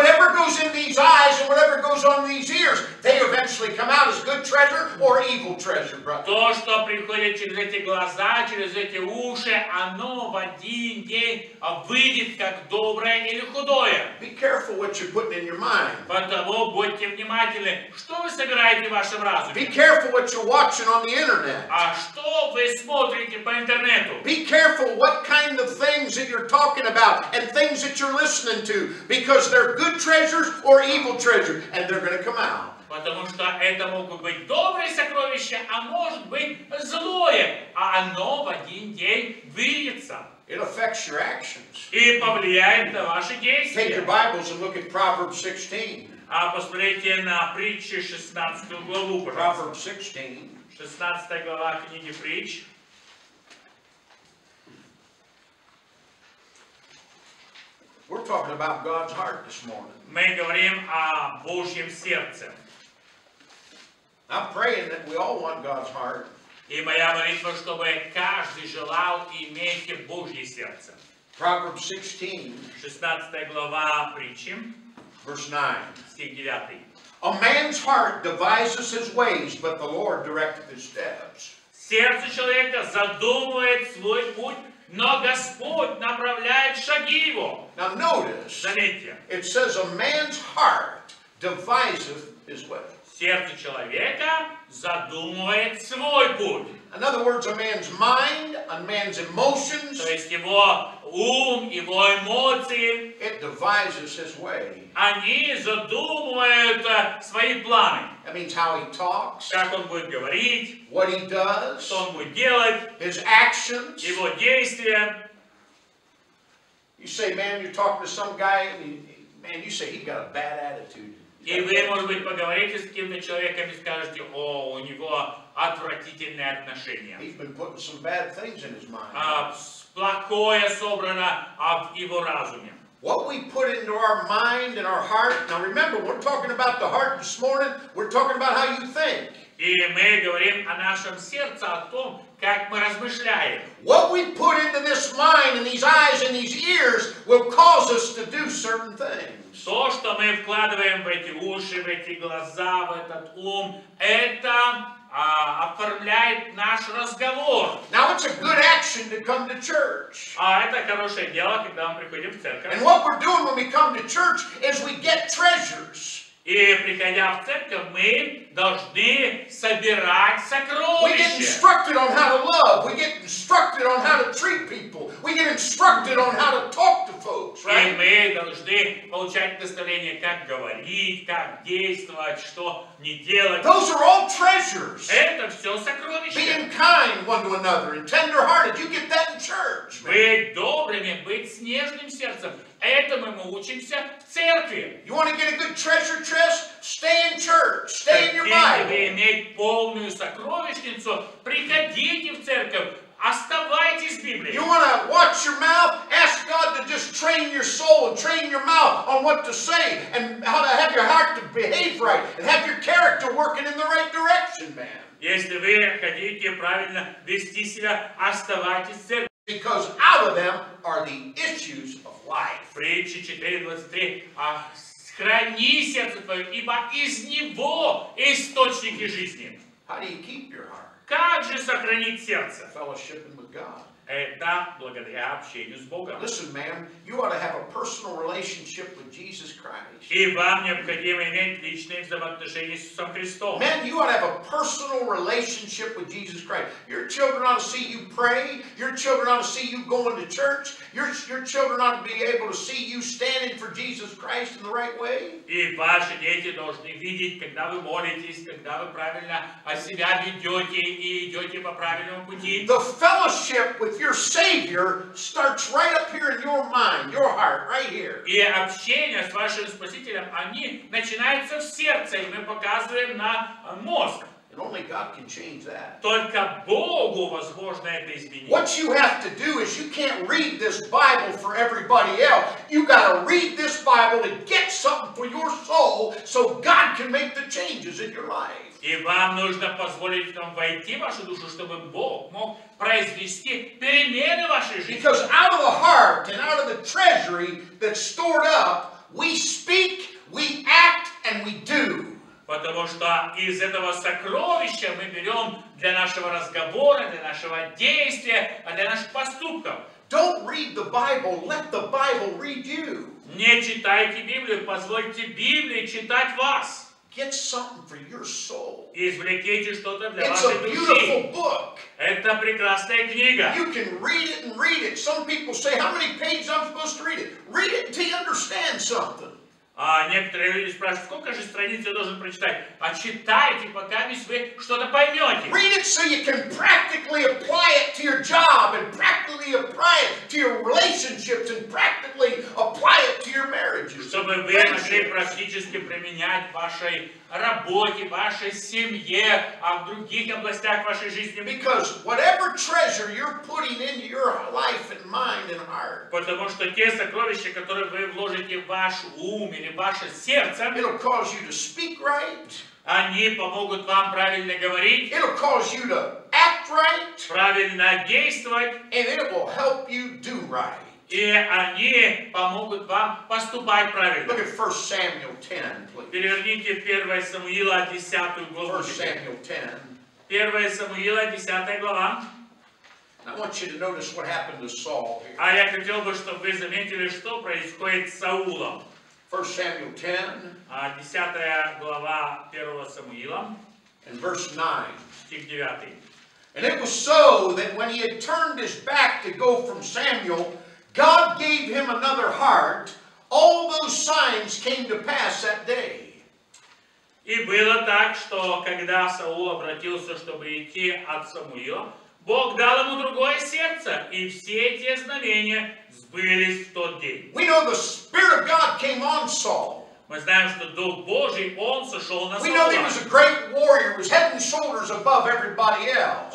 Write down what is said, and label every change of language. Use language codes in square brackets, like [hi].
[en] Whatever goes in these eyes and whatever goes on these ears, they eventually come out as good treasure or evil treasure, brother. [ru] То, что приходит через эти глаза, через эти уши, оно в один день выйдет как доброе или худое. [en] Be careful what you're putting in your mind. [ru] Потому будьте внимательны, что вы собираете в вашем разуме. [en] Be careful what you're watching on the internet. [ru] А что вы смотрите по интернету? [en] Be careful what kind of things that you're talking about and things that you're listening to, because they're good treasures or evil treasures, and they're going to come out. [ru] Потому что это могут быть добрые сокровища, а может быть злое, а оно в один день выльется. [en] It affects your actions. [ru] И повлияет на ваши действия. [en] Take your Bibles and look at Proverbs 16. [ru] А посмотрите на притчи 16 главу. [en] Proverbs 16. [ru] 16 глава книги Притч. [en] We're talking about God's heart this morning. [ru] Мы говорим о Божьем сердце. [en] I'm praying that we all want God's heart. [ru] И моя молитва, чтобы каждый желал иметь Божье сердце. [en] Proverbs 16. [ru] 16 глава притчи. [en] Verse 9. [ru] Стих 9. [en] A man's heart devises his ways, but the Lord directeth his steps. [ru] Сердце человека задумывает свой путь. Но Господь направляет шаги его. [en] Now notice, [ru] заметьте, [en] it says a man's heart deviseth his way. [ru] Сердце человека задумывает свой путь. [en] In other words, a man's mind, a man's emotions, [ru] то есть его ум, его эмоции, [en] it devises his way. [ru] Они задумывают свои планы. [en] That means how he talks, [ru] как он будет говорить, [en] what he does, [ru] что он будет делать, [en] his actions, [ru] его действия. [en] You say, man, you're talking to some guy, man, you say he's got a bad attitude. [ru] И вы, может быть, поговорите с каким-то человеком и скажете, о, у него отвратительные отношения. [en] He's been putting some bad things in his mind. [ru] Плохое собрано в его разуме. [en] What we put into our mind and our heart. Now remember, we're talking about the heart this morning. We're talking about how you think. [ru] И мы говорим о нашем сердце, о том, как мы размышляем. [en] What we put into this mind and these eyes and these ears will cause us to do certain things. [ru] все, что мы вкладываем в эти уши, в эти глаза, в этот ум, это оформляет наш разговор. [en] Now it's a good action to come to church. [ru] А это хорошее дело, когда мы приходим в церковь. [en] And what we're doing when we come to church is we get treasures. [ru] И приходя в церковь, мы должны собирать сокровища. [en] We get instructed on how to love. We get instructed on how to treat people. We get instructed on how to talk to folks, right? [ru] И мы должны получать наставление, как говорить, как действовать, что не делать. [en] Those are all treasures. [ru] Это все сокровища. [en] Being kind one to another and tender-hearted. You get that in church. [ru] Быть добрыми, быть с нежным сердцем. Этому мы учимся в церкви. [en] You want to get a good treasure chest? Stay in church. Stay in your Bible. [ru] Чтобы иметь полную сокровищницу, приходите в церковь. Оставайтесь в Библии. [en] You want to watch your mouth? Ask God to just train your soul and train your mouth on what to say and how to have your heart to behave right and have your character working in the right direction, man. [ru] Если вы хотите правильно вести себя, оставайтесь в церкви. [en] Because out of them are the issues of life. [ru] Притчи 4:23. Храни сердце твое, ибо из него источники жизни. [en] How do you keep your heart? [ru] Как же сохранить сердце? [en] Fellowshipping with God. [ru] Это благодаря общению с Богом. [en] Listen, man, you ought to have a personal relationship with Jesus Christ. [ru] И вам необходимо иметь личные взаимоотношения с Иисусом Христом. [en] Man, you ought to have a personal relationship with Jesus Christ. Your children ought to see you pray. Your children ought to see you going to church. Your children ought to be able to see you standing for Jesus Christ in the right way. [ru] И ваши дети должны видеть, когда вы молитесь, когда вы правильно о себя ведете и идете по правильному пути. [en] The fellowship with your Savior starts right up here in your mind, your heart, right here. [ru] И общение с вашим Спасителем, они начинаются в сердце, и мы показываем на мозг. [en] And only God can change that. [ru] Только Богу возможно это изменить. [en] What you have to do is you can't read this Bible for everybody else. You got to read this Bible to get something for your soul so God can make the changes in your life. [ru] И вам нужно позволить там войти в вашу душу, чтобы Бог мог произвести перемены в вашей жизни. [en] Because out of the heart and out of the treasury that's stored up, we speak, we act, and we do. [ru] Потому что из этого сокровища мы берем для нашего разговора, для нашего действия, а для наших поступков. [en] Don't read the Bible, let the Bible read you. [ru] Не читайте Библию, позвольте Библии читать вас. [en] Get something for your soul. [ru] Извлеките что-то для вашей души. [en] It's a beautiful book. [ru] Это прекрасная книга. [en] You can read it and read it. Some people say, how many pages I'm supposed to read it? Read it until you understand something. [ru] Некоторые люди спрашивают, сколько же страниц я должен прочитать? А читайте, пока вы что-то поймете. [en] Read it so you can practically apply it to your job and practically apply it to your relationships and practically apply it to your marriages. [ru] Чтобы вы могли практически применять в вашей работе, в вашей семье, а в других областях вашей жизни. [en] Because whatever treasure you're putting into your life and mind and heart. [ru] Потому что те сокровища, которые вы вложите в ваш ум или ваше сердце, [en] it'll cause you to speak right. [ru] Они помогут вам правильно говорить. [en] It'll cause you to act right. [ru] Правильно действовать. [en] And it will help you do right. [ru] И они помогут вам поступать правильно. [en] Look at 1 Samuel 10, please. [ru] Переверните 1 Самуила 10 главу. [en] 1 Samuel 10. [ru] 1 Самуила 10 глава. [en] I want you to notice what happened to Saul here. [ru] А я хотел бы, чтобы вы заметили, что происходит с Саулом. [en] 1 Samuel 10. [ru] 10 глава 1 Самуила. [en] And verse 9. [ru] Стих 9. [en] And it was so that when he had turned his back to go from Samuel, God gave him another heart. All those signs came to pass that day. [ru] И было так, что когда Саул обратился, чтобы идти от Самуила, Бог дал ему другое сердце, и все эти знамения сбылись в тот день. [en] We know the Spirit of God came on Saul. [ru] Мы знаем, что Дух Божий, он сошел на Саула. [en] We know that he was a great warrior, was head and shoulders above everybody else.